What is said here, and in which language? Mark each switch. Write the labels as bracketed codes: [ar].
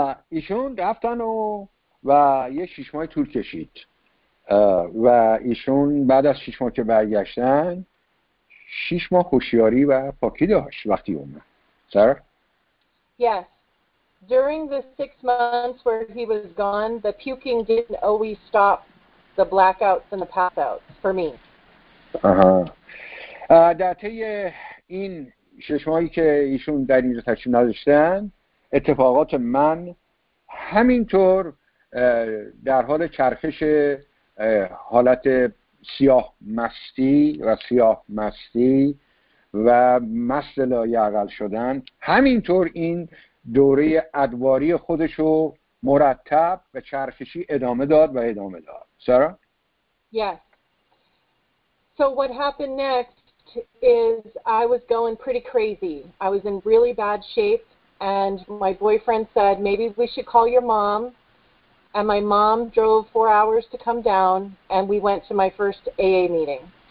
[fa] ایشون رفتن و یه 6 ماه طول کشید. و ایشون بعد از 6 ماه که برگشتن، 6 ماه هوشیاری و پاکی داشت وقتی اومد. سر؟ [en] Yes. During the 6 months where he was gone, the puking didn't always stop the blackouts and the passouts for me. [fa] در طی این 6 ماهی که ایشون در اینجا تشریف نداشتن، اتفاقات من همینطور در حال چرخش حالت سیاه مستی و سیاه مستی و مست لایعقل شدن، همینطور این دوره ادواری خودشو مرتب و چرخشی ادامه داد و ادامه داد. سارا؟ [en] Yes. So what happened next is I was going pretty crazy. I was in really bad shape and my boyfriend said maybe we should call your mom. And my mom drove 4 hours to come down and we went to my first AA meeting.